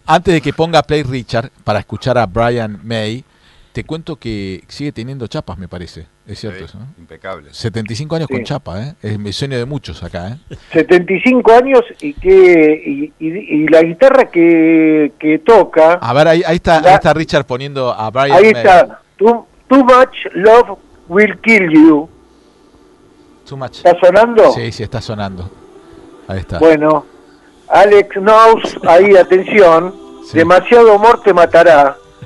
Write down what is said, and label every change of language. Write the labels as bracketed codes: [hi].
[es] Antes de que ponga play Richard para escuchar a Brian May, te cuento que sigue teniendo chapas, me parece. Es cierto, sí, ¿no? Impecable. 75 años, sí, con chapa, ¿eh? Es mi sueño de muchos acá, ¿eh? 75 años y la guitarra que toca. A ver, ahí está Richard poniendo a Brian May. Está. [en] Too much love will kill you. Too much. [es] ¿Está sonando? Sí, está sonando. Ahí está. Bueno, Alex Knows, ahí, atención. Sí. Demasiado amor te matará.